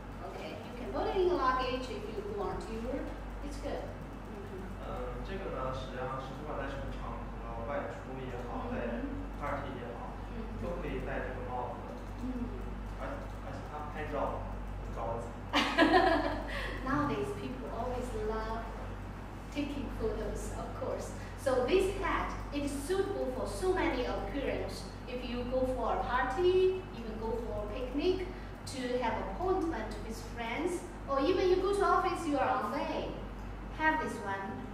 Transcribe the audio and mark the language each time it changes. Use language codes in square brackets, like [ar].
[en] Okay, you can put it in your luggage if you want to. It's good. [zh] 这个呢，实际上是外出也好，在party也好，都可以戴这个帽子，而且它拍照很高级。 [en] Nowadays, people always love taking photos, of course. So this hat is suitable for so many occasions. If you go for a party, even go for a picnic, to have appointment with friends, or even you go to office, you are on way, have this one.